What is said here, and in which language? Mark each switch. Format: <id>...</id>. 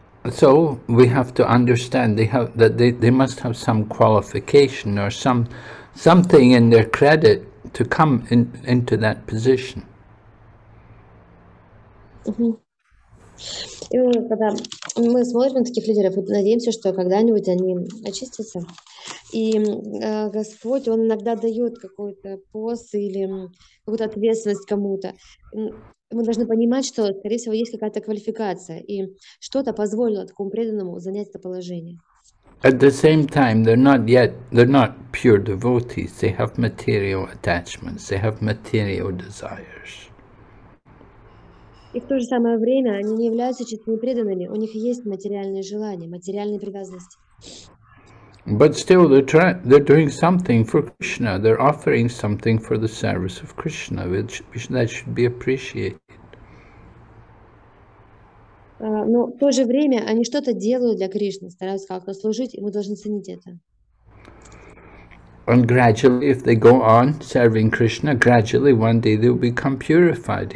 <en>So we have to understand they must have some qualification or something in their credit to come into that position.</en> <ru>И когда мы смотрим на таких лидеров, мы надеемся, что когда-нибудь они очистятся. И Господь, Он иногда дает какой-то пост или какую-то ответственность кому-то. Мы должны понимать, что, скорее всего, есть какая-то квалификация, и что-то позволило такому преданному занять это положение.</ru> <en>At the same time, they're not pure devotees. They have material attachments. They have material desires.</en> <ru>И в то же самое время они не являются чистыми преданными. У них есть материальные желания, материальные привязанности.</ru> <en>But still, they're doing something for Krishna. They're offering something for the service of Krishna, which that should be appreciated.</en> <ru>Но в то же время они что-то делают для Кришны, стараются как-то служить, и мы должны ценить это.</ru> <en>And gradually, if they go on serving Krishna, gradually one day they'll become purified.</en>